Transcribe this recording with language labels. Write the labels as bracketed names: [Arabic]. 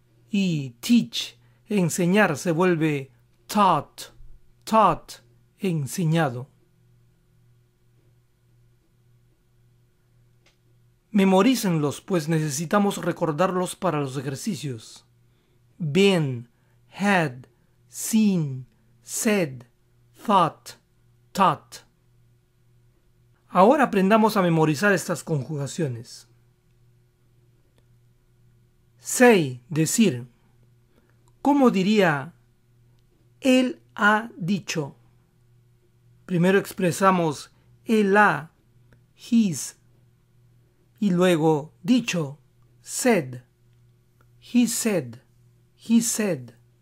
[Spanish] Y teach, enseñar, se vuelve taught, taught, enseñado. Memorícenlos, pues necesitamos recordarlos para los ejercicios. [English] Been, had, seen, said, thought, taught. [Spanish] Ahora aprendamos a memorizar estas conjugaciones. Say, decir. ¿Cómo diría él ha dicho? Primero expresamos él ha, his, y luego dicho, said, [English] he said, he said.